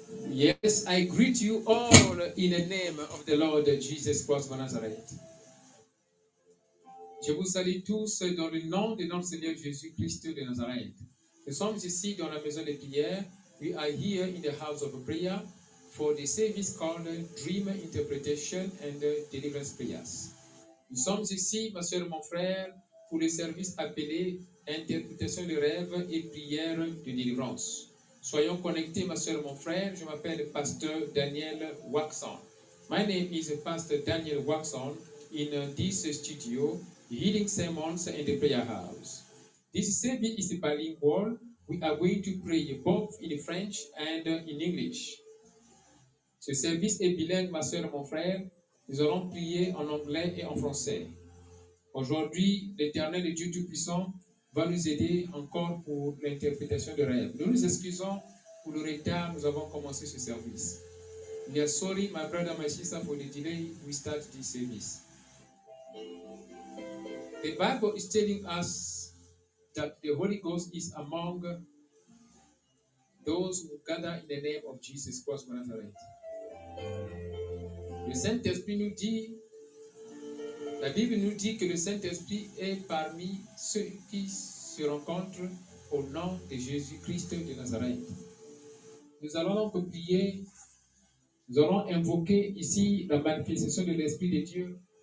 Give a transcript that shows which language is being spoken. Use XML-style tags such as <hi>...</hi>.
<en>Yes, I greet you all in the name of the Lord Jesus Christ of Nazareth.</en> <fr>Je vous salue tous dans le nom de notre Seigneur Jésus Christ de Nazareth. Nous sommes ici dans la maison de prière.</fr> <en>We are here in the house of prayer for the service called Dream Interpretation and Deliverance Prayers.</en> <fr>Nous sommes ici, ma soeur et mon frère, pour le service appelé Interprétation des rêves et prières de délivrance. Soyons connectés, ma soeur et mon frère. Je m'appelle Pasteur Daniel Waxon.</fr> <en>My name is Pastor Daniel Waxon in this studio, Healing Sermons in the Prayer House. This service is bilingual. We are going to pray both in French and in English.</en> <fr>Ce service est bilingue, ma soeur et mon frère. Nous allons prier en anglais et en français. Aujourd'hui, l'Éternel Dieu Tout-Puissant va nous aider encore pour l'interprétation de rêves. Nous nous excusons pour le retard, nous avons commencé ce service.</fr> <en>We are sorry, my brother, my sister, for the delay, we start this service. The Bible is telling us that the Holy Ghost is among those who gather in the name of Jesus Christ of Nazareth.</en> <fr>Le Saint-Esprit nous dit, la Bible nous dit que le Saint-Esprit est parmi ceux qui se rencontrent au nom de Jésus-Christ de Nazareth. Nous allons donc prier, nous allons invoquer ici la manifestation de l'Esprit de Dieu.</fr>